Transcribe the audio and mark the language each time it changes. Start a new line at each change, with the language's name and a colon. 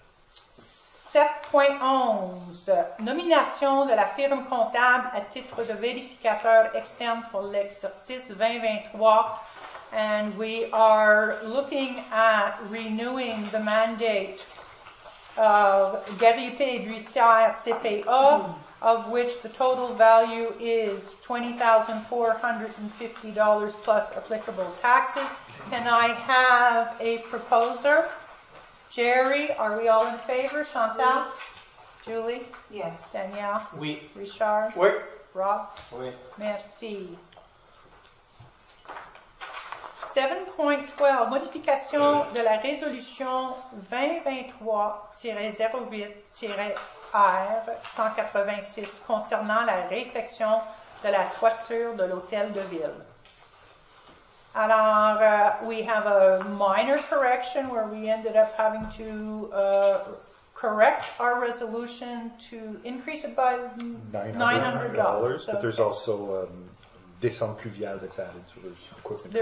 French: 7.11, nomination de la firme comptable à titre de vérificateur externe pour l'exercice 2023.
English: And we are looking at renewing the mandate of Gary Pedricier CPA, of which the total value is $20,450 plus applicable taxes. Can I have a proposer? Jerry, are we all in favor? Chantal?
French: Oui.
English: Julie? Yes. Danielle?
French: Oui.
English: Richard?
French: Oui.
English: Rob?
French: Oui. Merci. 7.12, modification de la résolution 2023-08-R186 concernant la réfection de la toiture de l'hôtel de ville.
English: Alors, we have a minor correction where we ended up having to correct our resolution to increase it by $900. But there's also
French: descente pluviale
English: that's added to the equipment.